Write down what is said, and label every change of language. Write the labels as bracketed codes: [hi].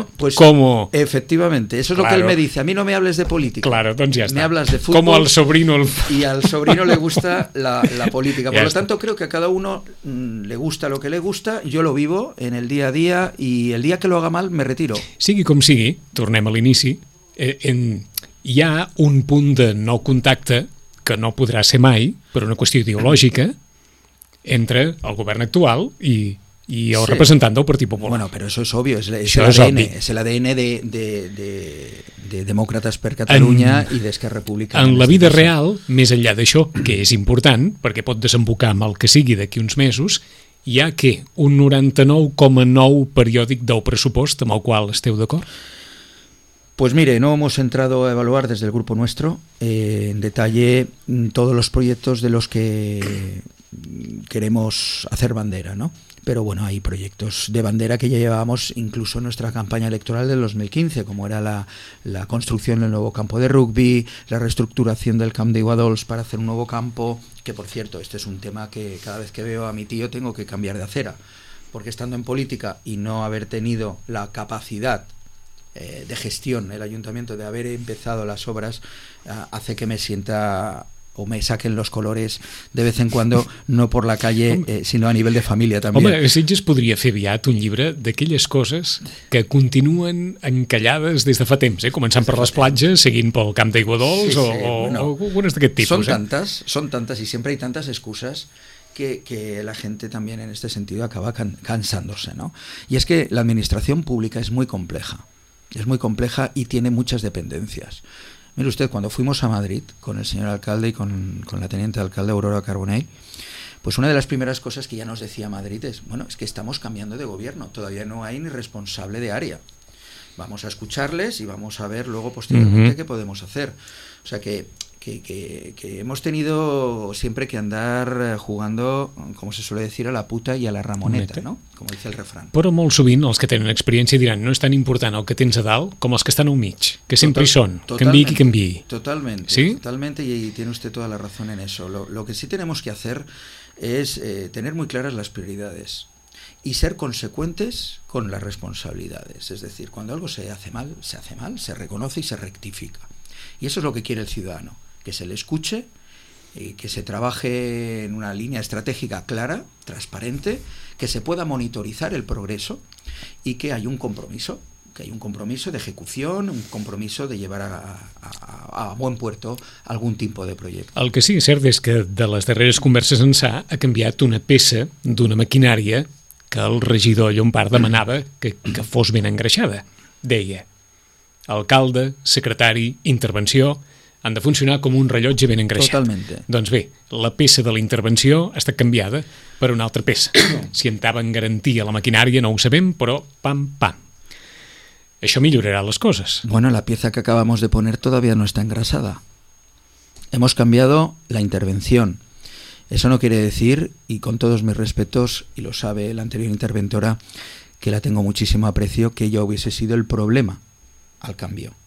[es] no, pues, como efectivamente eso es claro. Lo que él me dice, a mí no me hables de política, claro, entonces ya está. Me hablas de fútbol, como al sobrino y al sobrino le gusta la política. Por lo tanto, creo que a cada uno le gusta lo que le gusta. Yo lo vivo en el día a día y el día que lo haga mal me retiro. [ca] Sigui com sigui, tornem a l'inici. Hi ha un punt de no contacte que no podrà ser mai, per una qüestió ideològica, entre el govern actual i el representant del Partit Popular. Bueno, però això és obvio, és l'ADN de Demòcrates per Catalunya i d'Esquerra Republicana. En la vida real, més enllà d'això, que és important, perquè pot desembocar amb el que sigui d'aquí uns mesos, hi ha què? Un 99,9 periòdic del pressupost amb el qual esteu d'acord? [es] Pues mire, no hemos entrado a evaluar desde el grupo nuestro en detalle todos los proyectos de los que queremos hacer bandera, ¿no? Pero bueno, hay proyectos de bandera que ya llevábamos incluso en nuestra campaña electoral del 2015, como era la construcción del nuevo campo de rugby, la reestructuración del Camp de Guadols para hacer un nuevo campo, que por cierto, este es un tema que cada vez que veo a mi tío tengo que cambiar de acera, porque estando en política y no haber tenido la capacidad de gestión el ayuntamiento de haber empezado las obras, hace que me sienta o me saquen los colores de vez en cuando, no por la calle, [ca] sinó a nivell de família també. Home, Sitges podria fer aviat un llibre d'aquelles coses que continuen encallades des de fa temps, començant per les platges, seguint pel Camp d'Aigüedols o algunes d'aquest tipus. Són tantes i sempre hi ha tantes excuses [es] que la gente también en este sentido acaba cansándose, ¿no? Y es que la administración pública es muy compleja y tiene muchas dependencias. Mire usted, cuando fuimos a Madrid con el señor alcalde y con la teniente alcalde Aurora Carbonell, pues una de las primeras cosas que ya nos decía Madrid es, bueno, es que estamos cambiando de gobierno, todavía no hay ni responsable de área. Vamos a escucharles y vamos a ver luego posteriormente qué podemos hacer. O sea que hemos tenido siempre que andar jugando, como se suele decir, a la puta y a la ramoneta, ¿no? Como dice el refrán. [ca] Però molt sovint els que tenen experiència diran, no és tan important el que tens a dalt com els que estan al mig, que sempre hi són, canviï qui canviï. [es] Totalmente, ¿sí? Totalmente, y tiene usted toda la razón en eso. Lo que sí tenemos que hacer es tener muy claras las prioridades y ser consecuentes con las responsabilidades. Es decir, cuando algo se hace mal, se reconoce y se rectifica. Y eso es lo que quiere el ciudadano, que se le escuche, que se trabaje en una línea estratégica clara, transparente, que se pueda monitorizar el progreso y que haya un compromiso, que haya un compromiso de ejecución, un compromiso de llevar a buen puerto algún tipo de proyecto. [ca] El que sí que és cert és que de les darreres converses ençà ha canviat una peça d'una maquinària que el regidor Llompart demanava que fos ben engreixada, deia. Alcalde, secretari, intervenció, han de funcionar com un rellotge ben engreixat. [es] Totalmente. [ca] Doncs bé, la peça de la intervenció ha estat canviada per una altra peça. Si entrava en garantia la maquinària, no ho sabem, però pam, pam. Això millorarà les coses. [es] Bueno, la pieza que acabamos de poner todavía no está engrasada. Hemos cambiado la intervención. Eso no quiere decir, y con todos mis respetos, y lo sabe la anterior interventora, que la tengo muchísimo aprecio, que yo hubiese sido el problema al cambio.